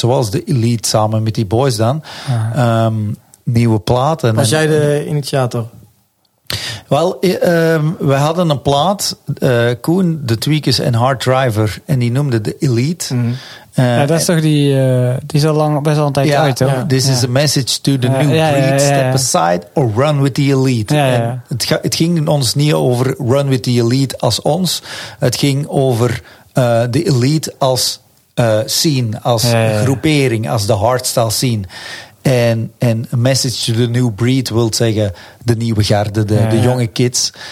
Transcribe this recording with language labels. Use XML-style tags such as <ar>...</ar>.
<nl>Zoals de Elite samen met die boys dan. Nieuwe platen. Was jij de initiator? Wel, we hadden een plaat, Coone, de Tweakers en Hard Driver, en die noemde de Elite. Mm. Ja, dat is toch die is al lang, best wel een tijdje uit, hoor.</nl> <en>This is a message to the new breed, step aside or run with the Elite.</en> <nl>Ja, het ging ons niet over</nl> <en>run with the Elite</en> <nl>als ons, het ging over de Elite als scene, als groepering, als de hardstyle scene. En</nl> <en>a message to the new breed</en> <nl>wil zeggen de nieuwe garde, de jonge kids.</nl>